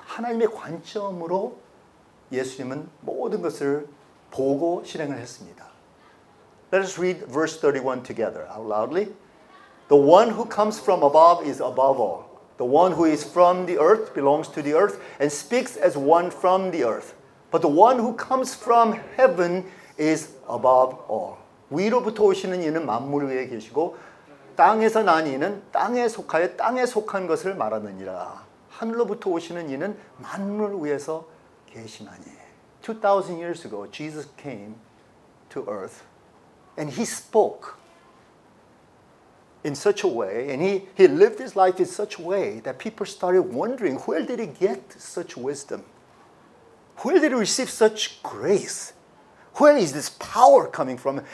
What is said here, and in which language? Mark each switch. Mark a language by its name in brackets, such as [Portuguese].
[Korean] 하나님의 관점으로 예수님은 모든 것을 보고 실행을 했습니다. [English] Let us read verse 31 together out loudly. The one who comes from above is above all. The one who is from the earth belongs to the earth and speaks as one from the earth. But the one who comes from heaven is above all. [Korean] 위로부터 오시는 이는 만물 위에 계시고 땅에서 난 이는 땅에 속하여 땅에 속한 것을 말하느니라. 하늘로부터 오시는 이는 만물 위에서 계시나니. [English] 2,000 years ago, Jesus came to earth and he spoke in such a way, and he lived his life in such a way that people started wondering, where did he get such wisdom? Where did he receive such grace? Where is this power coming from?